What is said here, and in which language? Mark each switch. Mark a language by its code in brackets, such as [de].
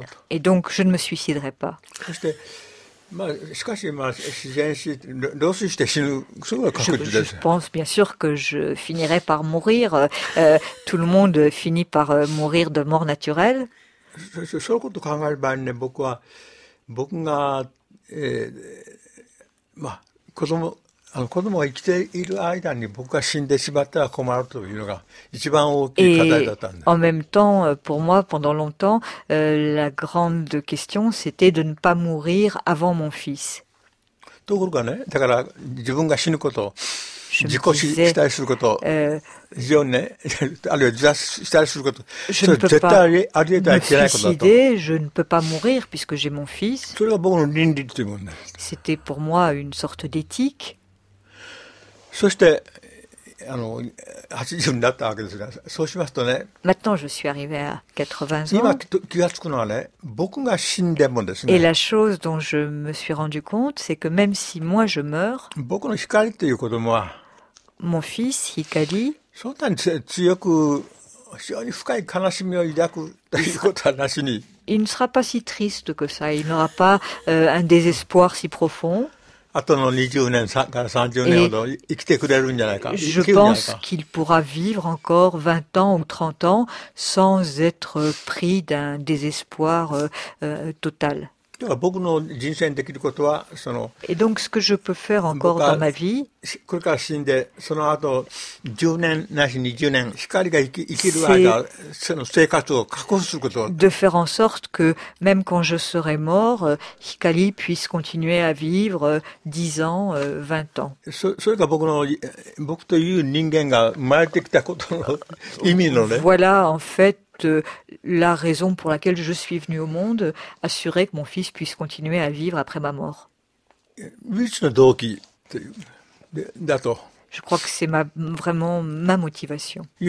[fr] Et donc, je ne me suiciderai pas. Je pense bien sûr que je finirai par mourir. Tout le monde finit par mourir de mort naturelle. [ja] そういうことを考える場合にね、僕が、まあ、子供が生きている間に僕が死んでしまったら困るというのが一番大きい課題だったんです。 [fr] En même temps, pour moi, pendant longtemps, la grande question, c'était de ne pas mourir avant mon fils. [ja] ところがね、だから自分が死ぬこと、自己死したりすること、非常にね、あるいは自殺したりすること、絶対ありえたらいけないことだと。 [fr] Suicider, je ne peux pas mourir puisque j'ai mon fils. [ja] それが僕の倫理というものです。 [fr] C'était pour moi une sorte d'éthique. [ja] そして、80になったわけですが、そうしますとね、 [fr] Maintenant, je suis arrivé à 80 ans. [ja] 今気がつくのはね、僕が死んでもですね。 [fr] Et la chose dont je me suis rendu compte, c'est que même si moi je meurs, [ja] 僕の光という子供は、 [fr] Mon fils, Hikari, [ja] そんなに強く、非常に深い悲しみを抱くということはなしに。 [fr] Il ne sera pas si triste que ça. Il n'aura pas un désespoir si profond. [ja] あとの20年から30年ほど生きてくれるんじゃないか。 [fr] Je pense qu'il pourra vivre encore 20 ans ou 30 ans sans être pris d'un désespoir total. [ja] 僕の人生にできることは、 [fr] Et donc, ce que je peux faire encore dans ma vie, [ja] これから死んで、その後、10年なし20年、光が生きる間、その生活を確保すること。 [fr] De faire en sorte que, même quand je serai mort, Hikari puisse continuer à vivre 10 ans, 20 ans. [ja] それが僕という人間が生まれてきたことの意味のね。 [fr] Voilà, en fait,la raison pour laquelle je suis venu au monde, assurer que mon fils puisse continuer à vivre après ma mort. Je crois que c'est vraiment ma motivation.